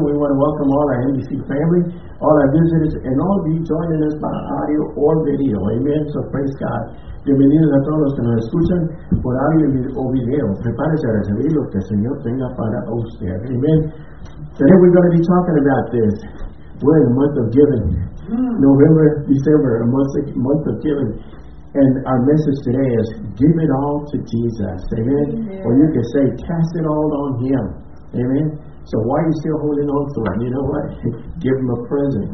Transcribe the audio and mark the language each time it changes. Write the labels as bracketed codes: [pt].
[en] We want to welcome all our NBC family, all our visitors, and all of you joining us by audio or video. Amen. So praise God. [es] Bienvenidos a todos los que nos escuchan por audio o video. Prepárese a recibir lo que el Señor tenga para usted. [en] Amen. Today we're going to be talking about this. We're in the month of giving. November, December, a month of giving. And our message today is give it all to Jesus. Amen. Amen. Or you can say, cast it all on Him. Amen. So why are you still holding on to Him? You know what? Give Him a present.